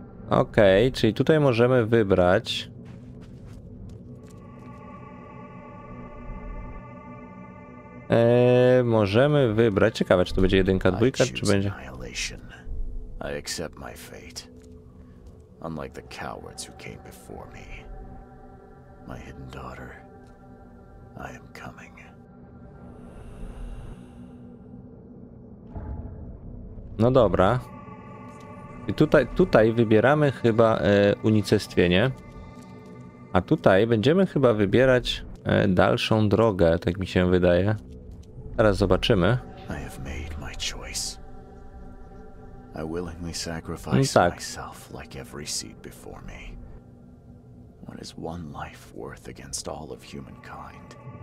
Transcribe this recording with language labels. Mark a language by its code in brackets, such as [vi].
[pl] Okej, czyli tutaj możemy wybrać. Możemy wybrać. Ciekawe, czy to będzie jedynka, dwójka, czy będzie. [en] I accept my fate. Unlike the cowards who came before me. My hidden daughter. I am coming. [pl] No dobra. I tutaj wybieramy chyba unicestwienie. A tutaj będziemy chyba wybierać dalszą drogę, tak mi się wydaje. Teraz zobaczymy. [en] I have made my choice. I willingly sacrifice myself like every seed before me. What is one life worth against all of humankind?